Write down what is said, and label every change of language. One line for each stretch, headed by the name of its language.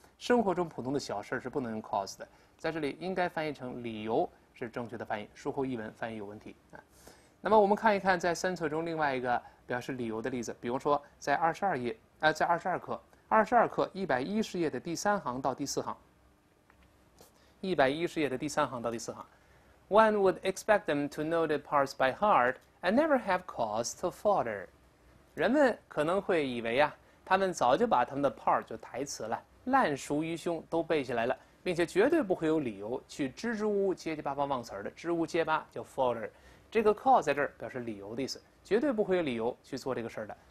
Chinese: 生活中普通的小事是不能用 cause 的，在这里应该翻译成理由是正确的翻译，书后译文翻译有问题。那么我们看一看在三册中另外一个表示理由的例子，比如说在22课110页的第三行到第四行，110页的第三行到第四行。
English: One would expect them to know the parts by heart and never have cause to falter。
Chinese: 人们可能会以为啊，他们早就把他们的 part 就台词了烂熟于胸都背下来了，并且绝对不会有理由去支支吾吾结结巴巴忘词的，支吾结巴叫 falter。这个 cause 在这儿表示理由的意思，绝对不会有理由去做这个事的。